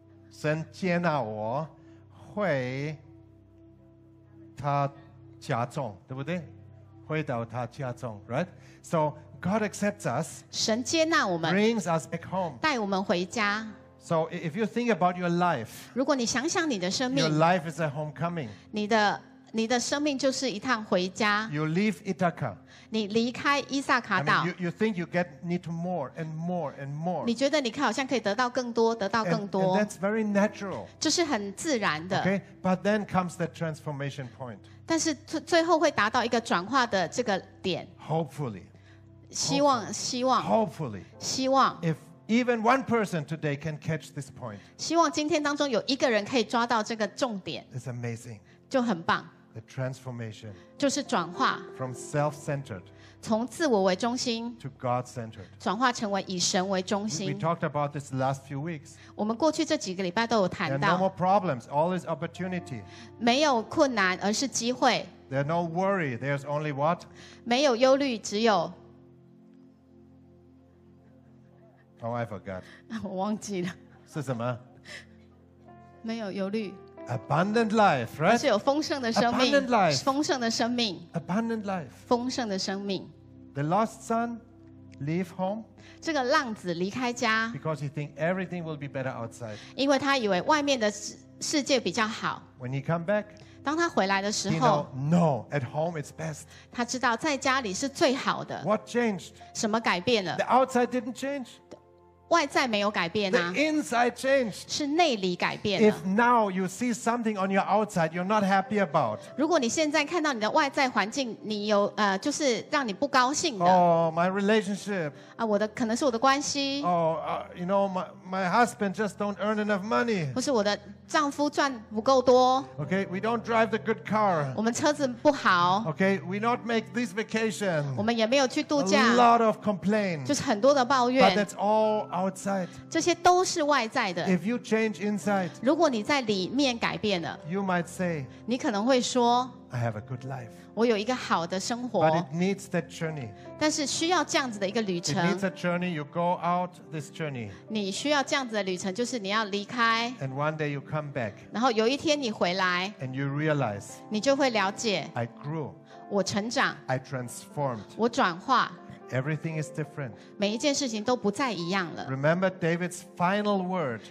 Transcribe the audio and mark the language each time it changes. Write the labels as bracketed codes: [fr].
[zh] 神接纳我会他家中对不对回到他家中 right? [en] So God accepts us [zh] 神接纳我们 [en] brings us back home [zh] 带我们回家 [en] So if you think about your life [zh] 如果你想想你的生命 [en] your life is a homecoming [zh] 你的生命就是一趟回家 [en] you leave Ithaca [zh] 你离开伊萨卡岛 [en] I mean, you think you need more and more and more [zh] 你觉得你好像可以得到更多 [en] and that's very natural [zh] 这是很自然的 [en] okay? But then comes the transformation point [zh] 但是最后会达到一个转化的这个点 [en] hopefully [zh] 希望 [en] hopefully [zh] 希望 [en] ifEven one person today can catch this point. [zh] 希望今天当中有一个人可以抓到这个重点。 [en] It's amazing. [zh] 就很棒。 [en] The transformation. [zh] 就是转化。 [en] From self-centered. [zh] 从自我为中心。 [en] To God-centered. [zh] 转化成为以神为中心。 [en] We talked about this last few weeks. [zh] 我们过去这几个礼拜都有谈到。 [en] There are no more problems. All is opportunity. [zh] 没有困难，而是机会。 [en] There are no worry. There's only what? [zh] 没有忧虑，只有。 [en] Oh, I forgot. [zh] 我忘记了。是什么？没有忧虑。 [en] Abundant life, right? [zh] 是有丰盛的生命。 [en] Abundant life. [zh] 丰盛的生命。 [en] Abundant life. [zh] 丰盛的生命。 [en] The lost son leave home. [zh] 这个浪子离开家。 [en] Because he think everything will be better outside. [zh] 因为他以为外面的世界比较好。 [en] When he come back. [zh] 当他回来的时候。 [en] He know, no, at home it's best. [zh] 他知道在家里是最好的。 [en] What changed? [zh] 什么改变了？ [en] The outside didn't change. [zh] 外在没有改变啊 [en] The inside changed. [zh] 是内里改变 [en] 了 If now you see something on your outside you're not happy about [zh] 如果你现在看到你的外在环境你有就是让你不高兴的 [en] Oh, my relationship [zh] 啊，我的可能是我的关系 [en] Oh, you know, my husband just don't earn enough money [zh] 或是我的丈夫赚不够多 [en] Okay, we don't drive the good car [zh] 我们车子不好 [en] Okay, we not make this vacation [zh] 我们也没有去度假 [en] A lot of complaint [zh] 就是很多的抱怨 [en] But that's allOutside, [zh] 这些都是外在的。 [en] If you change inside, [zh] 如果你在里面改变了 [en] you might say, [zh] 你可能会说 [en] I have a good life, [zh] 我有一个好的生活。 [en] But it needs that journey, [zh] 但是需要这样子的一个旅程。 [en] It needs a journey, you go out this journey, [zh] 你需要这样子的旅程，就是你要离开。 [en] And one day you come back, [zh] 然后有一天你回来。 [en] And you realize, [zh] 你就会了解。 [en] I grew, [zh] 我成长。 [en] I transformed, [zh] 我转化。 [en] Everything is different. [zh] 每一件事情都不再一样了。 [en] Remember David's final word.